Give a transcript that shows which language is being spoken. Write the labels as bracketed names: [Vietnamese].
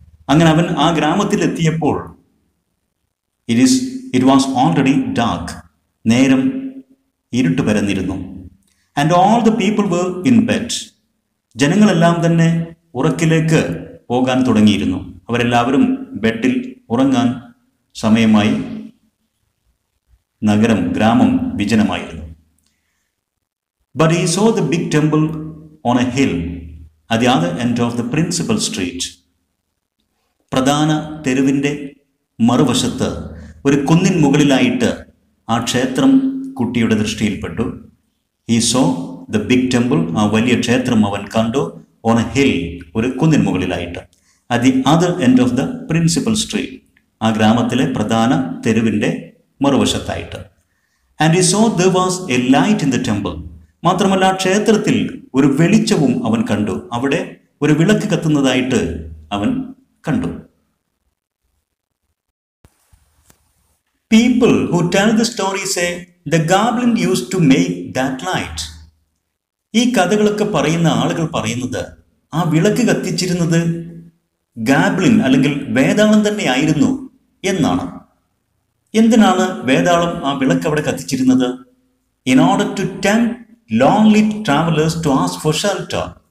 [Malayalam] അങ്ങനെ അവൻ ആ ഗ്രാമത്തിൽ എത്തിയപ്പോൾ [English] it was already dark, [Malayalam] നേരം ഇരുട്ട് പരന്നിരുന്നു. [English] and all the people were in bed, [Malayalam] ജനങ്ങളെല്ലാം തന്നെ ഉറക്കിലേക്ക് പോകാൻ തുടങ്ങിയിരുന്നു. അവരെല്ലാവരും ബെഡിൽ ഉറങ്ങാൻ സമയമായി. നഗരം, ഗ്രാമം വിജനമായിരുന്നു. [English] But he saw the big temple on a hill at the other end of the principal street. [Malayalam] പ്രധാന തെരുവിൻ്റെ മറുവശത്ത് ഒരു കുന്നിൻ മുകളിലായിട്ട് ആ ക്ഷേത്രം കുട്ടിയുടെ ദൃഷ്ടിയിൽപ്പെട്ടു. [English] He saw the big temple, [Malayalam] ആ വലിയ ക്ഷേത്രം അവൻ കണ്ടു, [English] on a hill, [Malayalam] ഒരു കുന്നിൻ മുകളിലായിട്ട്. [English] At the other end of the principal street, [Malayalam] ആ ഗ്രാമത്തിലെ പ്രധാന തെരുവിൻ്റെ മറുവശത്തായിട്ട്. [English] And he saw there was a light in the temple. [Malayalam] മാത്രമല്ല ആ ക്ഷേത്രത്തിൽ ഒരു വെളിച്ചവും അവൻ കണ്ടു, അവിടെ ഒരു വിളക്ക് കത്തുന്നതായിട്ട് അവൻ കണ്ടു. [English] People who tell the story say the goblin used to make that light. [Malayalam] ഈ കഥകളൊക്കെ പറയുന്ന ആളുകൾ പറയുന്നത് ആ വിളക്ക് കത്തിച്ചിരുന്നത് ഗാബ്ലിൻ അല്ലെങ്കിൽ വേതാളം തന്നെയായിരുന്നു എന്നാണ്. എന്തിനാണ് വേതാളം ആ വിളക്ക് അവിടെ കത്തിച്ചിരുന്നത്? [English] In order to tempt lonely travellers to ask for shelter.